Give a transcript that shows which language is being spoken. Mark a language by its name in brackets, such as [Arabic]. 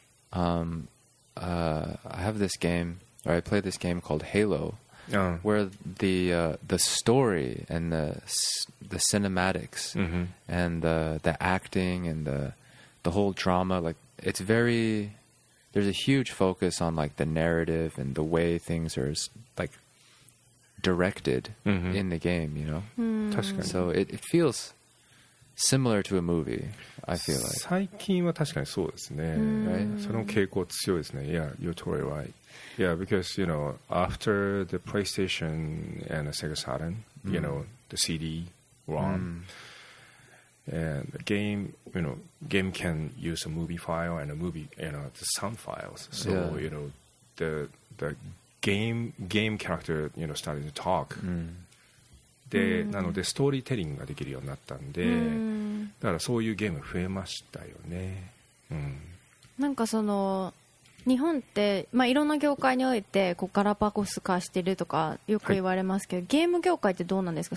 [English] I have this game, or I play this game called Halo, where the story and the cinematics and the acting and the whole drama, like it's very, there's a huge focus on like the narrative and the way things are like,directed in the game, you know? So it feels similar to a movie, I feel like. [Japanese] 最近は確かにそうですね。その傾向強いですね。 [English] Yeah, you're totally right. Yeah, because, you know, after the PlayStation and the Sega Saturn, you know, the CD, ROM, and the game, you know, game can use a movie file and a movie, you know, the sound files. So, you know, the game character, you know, started to talk. [Japanese] で、なのでストーリーテリングができるようになったんで、だからそういうゲーム増えましたよね。なんかその日本って、まあ、いろんな業界においてこうガラパゴス化してるとかよく言われますけど、はい、ゲーム業界ってどうなんですか。